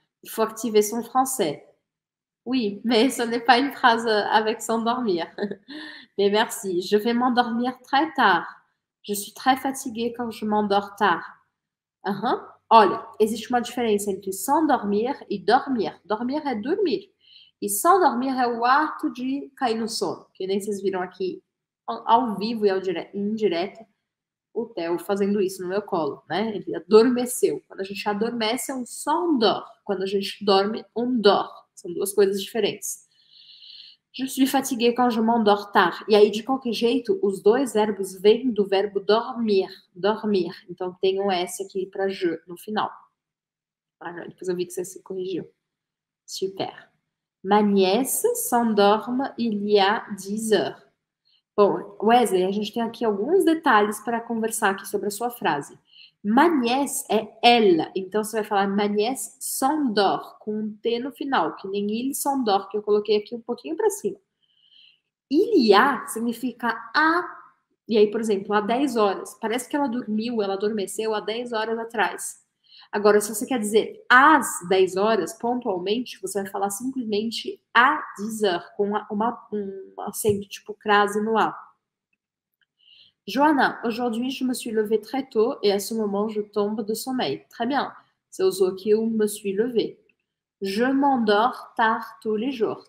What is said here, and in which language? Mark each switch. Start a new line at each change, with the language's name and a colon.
French: Il faut activer son français. Oui, mais ce n'est pas une phrase avec s'endormir. Mais merci. Je vais m'endormir très tard. Je suis très fatiguée quand je m'endors tard.
Portuguese: Olha, existe uma diferença entre s'endormir e dormir. Dormir é dormir. E s'endormir é o ato de cair no sono. Que nem vocês viram aqui ao vivo e ao indireto. O Theo fazendo isso no meu colo, né? Ele adormeceu. Quando a gente adormece, é um som dó. Quando a gente dorme, um dó. São duas coisas diferentes.
French: Je suis fatigué quand je m'endors tard.
Portuguese: E aí, de qualquer jeito, os dois verbos vêm do verbo dormir. Dormir. Então, tem um S aqui para je no final. Ah, depois eu vi que você se corrigiu. Super.
French: Ma nièce s'endorme il y a 10 heures.
Portuguese: Bom, Wesley, a gente tem aqui alguns detalhes para conversar aqui sobre a sua frase. Ma nièce é ela. Então, você vai falar
French: ma nièce s'endort,
Portuguese: com um T no final, que nem
French: il s'endort,
Portuguese: que eu coloquei aqui um pouquinho para cima.
French: Il y a
Portuguese: significa a. E aí, por exemplo, há 10 horas. Parece que ela dormiu, ela adormeceu há 10 horas atrás. Agora, se você quer dizer às 10 horas, pontualmente, você vai falar simplesmente
French: à 10 heures,
Portuguese: com um acento tipo crase no A.
French: Joana, aujourd'hui je me suis levée très tôt et à ce moment je tombe de sommeil. Très bien, c'est aussi que eu me suis levée. Je m'endors tard tous les jours.